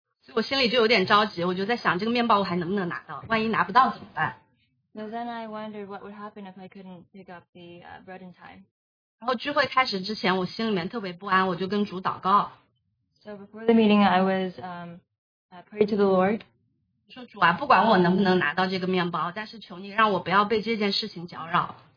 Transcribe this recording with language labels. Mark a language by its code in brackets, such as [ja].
[zh] 所以我心里就有点着急，我就在想这个面包我还能不能拿到，万一拿不到怎么办。 [en] So then I wondered what would happen if I couldn't pick up the bread in time. [zh] 然后聚会开始之前我心里面特别不安，我就跟主祷告。 [en] So before the meeting I was prayed to the Lord. [zh] 说主啊，不管我能不能拿到这个面包，但是求你让我不要被这件事情搅扰。